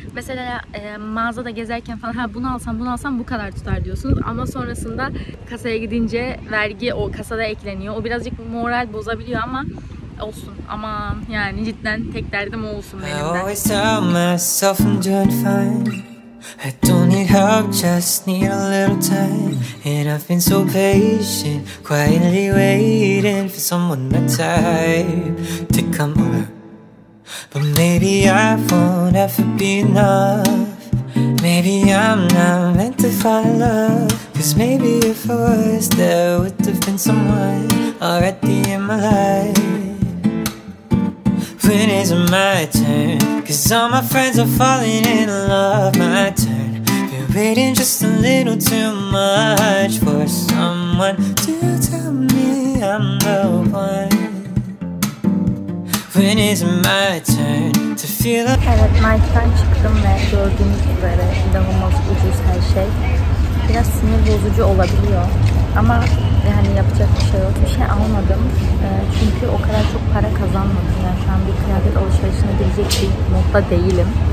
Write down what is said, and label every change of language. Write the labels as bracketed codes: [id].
[tr] Mesela mağazada gezerken falan bunu alsam bu kadar tutar diyorsunuz. Ama sonrasında kasaya gidince vergi o kasada ekleniyor. O birazcık moral bozabiliyor ama olsun. Ama yani cidden tek derdim o olsun benim de. [en] I don't need help, just need a little time. And I've been so patient, quietly waiting for someone my type to come over. But maybe I won't ever be enough. Maybe I'm not meant to find love. Cause maybe if I was, there would have been someone already in my life. When is it my turn? Cause all my friends are falling in love. My turn. Been waiting just a little too much for someone to tell me I'm the one. When is my turn to feel like... [tr] Evet, Mike'dan çıktım ve gördüğünüz üzere inanılmaz ucuz her şey. Biraz sinir bozucu olabiliyor. Ama yani yapacak bir şey yok. Bir şey almadım. Çünkü o kadar çok para kazanmadım. Yani şu an bir kıyafet alışverişine girecek bir modda değilim.